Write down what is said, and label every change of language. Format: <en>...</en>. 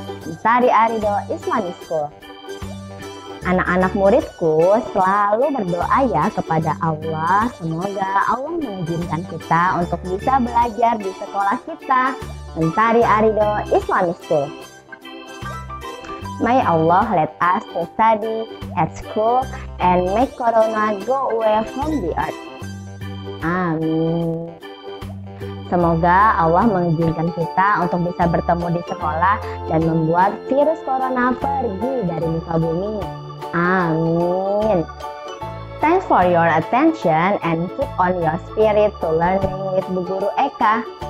<id>Mustari Arido Islamic School. Anak-anak muridku selalu berdoa ya kepada Allah, semoga Allah mengizinkan kita untuk bisa belajar di sekolah kita, Mentari Arido Islamic School.</id> <en>May Allah let us to study at school and make corona go away from the earth.</en> <id>Amin. Semoga Allah mengizinkan kita untuk bisa bertemu di sekolah dan membuat virus corona pergi dari muka bumi. Amin.</id> <en>Thanks for your attention and keep on your spirit to learning with Bu Guru Eka.</en>